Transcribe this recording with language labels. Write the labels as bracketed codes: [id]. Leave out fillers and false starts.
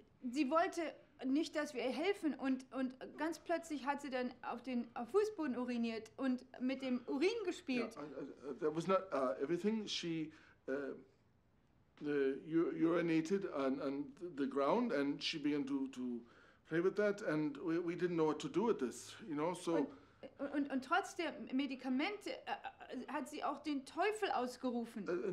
[de] Sie wollte nicht, dass wir ihr helfen und ganz plötzlich hat sie dann auf Fußboden uriniert und mit dem Urin gespielt. [en] That was not everything. She urinated on the ground and she began to play with that and we didn't know what to do with this, you know, so... [de] Und trotz der Medikamente hat sie auch den Teufel ausgerufen.